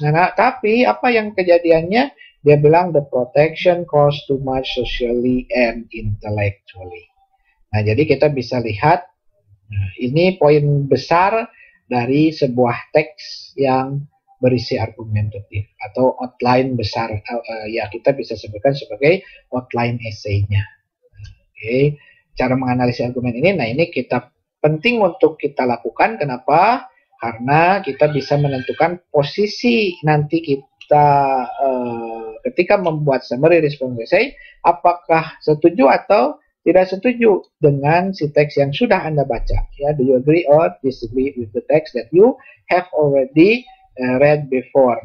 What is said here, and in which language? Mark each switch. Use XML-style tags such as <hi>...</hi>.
<id>Nah, tapi apa yang kejadiannya? Dia bilang</id> <en>the protection costs too much socially and intellectually.</en> <id>Nah, jadi kita bisa lihat, nah, ini poin besar dari sebuah teks yang berisi argumentatif atau outline besar, ya, kita bisa sebutkan sebagai outline essay-nya. Oke, cara menganalisis argumen ini, nah, ini kita penting untuk kita lakukan. Kenapa? Karena kita bisa menentukan posisi nanti kita ketika membuat summary response essay, apakah setuju atau tidak setuju dengan si teks yang sudah Anda baca.</id> <en>Ya, do you agree or disagree with the text that you have already read before?</en>